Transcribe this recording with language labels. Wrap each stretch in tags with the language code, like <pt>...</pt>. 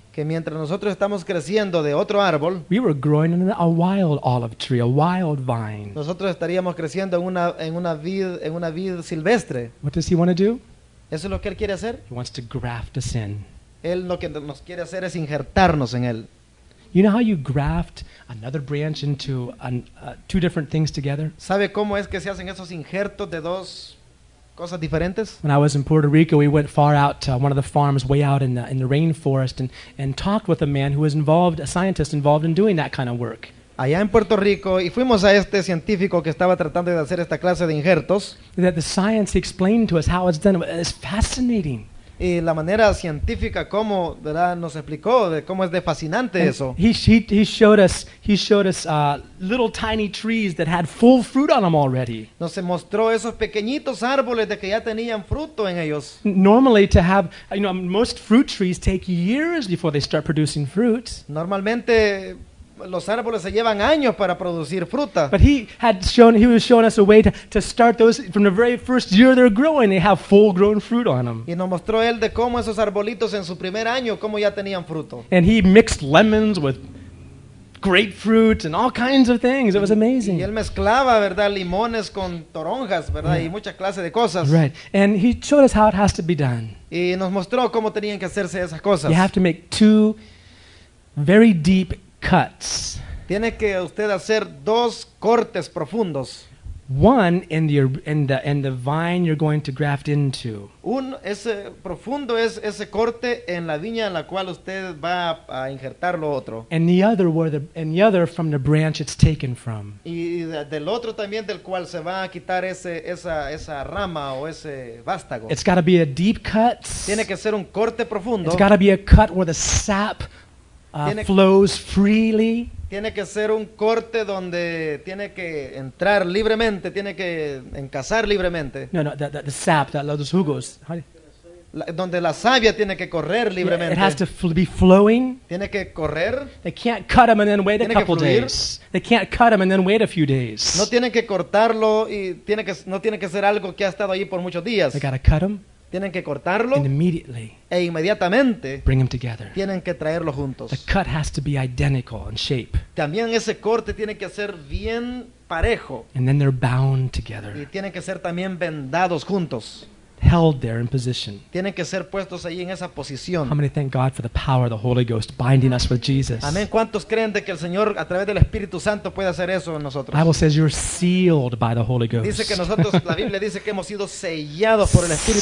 <es>Que mientras nosotros estamos creciendo de otro árbol,</es> <en>we were growing in a wild olive tree, a wild vine.</en> <es>Nosotros estaríamos creciendo en una vid silvestre.</es> <en>What does he want to do?</en> <es>Eso es lo que él quiere hacer.</es> <en>He wants to graft us in.</en> <es>Él lo que nos quiere hacer es injertarnos en él.</es> <en>You know how you graft another branch into two different things together?</en> <es>¿Sabe cómo es que se hacen esos injertos de dos cosas diferentes?</es> <en>When I was in Puerto Rico, we went far out to one of the farms way out in the rainforest and talked with a man who was involved, a scientist involved in doing that kind of work.</en> <es>Allá en Puerto Rico, y fuimos a este científico que estaba tratando de hacer esta clase de injertos.</es> <en>That the science he explained to us how it's done is fascinating.</en> <es>y la manera científica como, ¿verdad?, nos explicó de cómo es de fascinante</es> <en>and</en> <es>eso.</es> <en>He showed us little tiny trees that had full fruit on them already.</en> <es>Nos mostró esos pequeñitos árboles de que ya tenían fruto en ellos.</es> <en>Normally to have, you know, most fruit trees take years before they start producing fruit.</en> <es>Normalmente los árboles se llevan años para producir fruta.</es> <en>But he was showing us a way to start those from the very first year they're growing, they have full grown fruit on them.</en> <es>Y nos mostró él de cómo esos arbolitos en su primer año cómo ya tenían fruto.</es> <en>And he mixed lemons with grapefruit and all kinds of things. It was amazing.</en> <es>Y él mezclaba, ¿verdad?, limones con toronjas, ¿verdad?,</es> <en>yeah,</en> <es>y muchas clases de cosas.</es> <en>Right. And he showed us how it has to be done.</en> <es>Y nos mostró cómo tenían que hacerse esas cosas.</es> <en>You have to make two very deep cuts.</en> <es>Tiene que usted hacer dos cortes profundos.</es> <en>One in the vine you're going to graft into.</en> <es>Ese profundo es ese corte en la viña en la cual usted va a injertar lo otro.</es> <en>And the other from the branch it's taken from.</en> <es>Y del otro también del cual se va a quitar esa rama o ese vástago.</es> <en>It's got to be a deep cut.</en> <es>Tiene que ser un corte profundo.</es> <en>It's got to be a cut where the sap flows freely.</en> <es>Tiene que ser un corte donde tiene que entrar libremente, tiene que encasar libremente.</es> <en>No, the sap,</en> <es>los jugos. Donde la savia tiene que correr libremente.</es> <en>Yeah, it has to be flowing.</en> <es>Tiene que correr.</es> <en>They can't cut them and then wait a couple days. They can't cut them and then wait a few days.</en> <es>No tiene que cortarlo y no tiene que ser algo que ha estado ahí por muchos días.</es> <en>They gotta cut them.</en> <es>Tienen que cortarlo</es> <en>and immediately</en> <es>e inmediatamente</es> <en>bring them together.</en> <es>Tienen que traerlo juntos.</es> <en>The cut has to be identical in shape.</en> <es>También ese corte tiene que ser bien parejo.</es> <en>And then they're bound together.</en> <es>Y tienen que ser también vendados juntos.</es> <en>Held there in position.</en> <es>Tienen que ser puestos ahí en esa posición.</es> <en>How many thank God for the power of the Holy Ghost binding us with Jesus?</en> <es>Amén. ¿Cuántos creen de que el Señor a través del Espíritu Santo puede hacer eso en nosotros?</es> <en>The Bible says you're sealed by the Holy Ghost.</en> <es>Dice que nosotros, la Biblia dice que hemos sido sellados por el Espíritu</es>